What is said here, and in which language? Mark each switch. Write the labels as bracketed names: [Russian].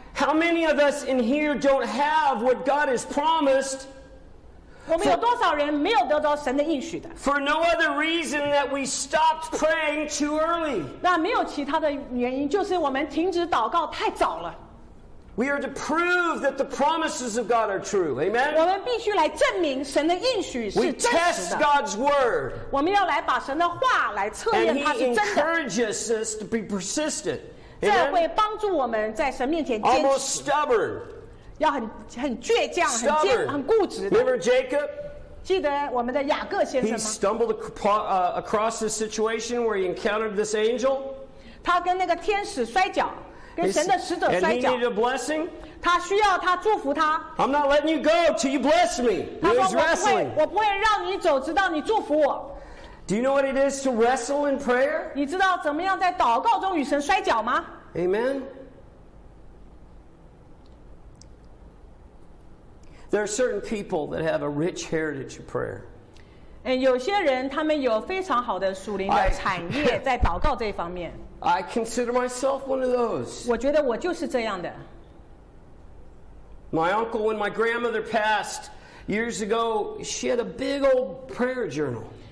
[English] How many of us in here don't have what God has promised? [Chinese] 我们有多少人没有得到神的应许的？ [English] For no other reason that we stopped praying too early. [Chinese] 那没有其他的原因，就是我们停止祷告太早了。 [English] We are to prove that the promises of God are true. Amen? [Chinese] 我们必须来证明神的应许是真实的。 [English] We test God's word. [Chinese] 我们要来把神的话来测验它是真的。 [English] And he encourages us to be persistent. Amen? [Chinese] 这会帮助我们在神面前坚持。 [English] Almost stubborn. [Chinese] 要很倔强，很固执的。 [English] Remember Jacob? [Chinese] 记得我们的雅各先生吗？ [English] He stumbled across this situation where he encountered this angel. [Chinese] 他跟那个天使摔跤。 [English] And he needed a blessing. [Chinese] 他需要祝福他。 [English] I'm not letting you go till you bless me. He was wrestling. [Chinese] 我不会让你走，直到你祝福我。 [English] Do you know what it is to wrestle in prayer? [Chinese] 你知道怎么样在祷告中与神摔跤吗？ [English] Amen. There are certain people that have a rich heritage of prayer. [Chinese] 有些人他们有非常好的属灵的产业在祷告这方面。 [English] I consider myself one of those. [Chinese] 我觉得我就是这样的。 [English] My uncle, when my grandmother passed years ago, she had a big old prayer journal.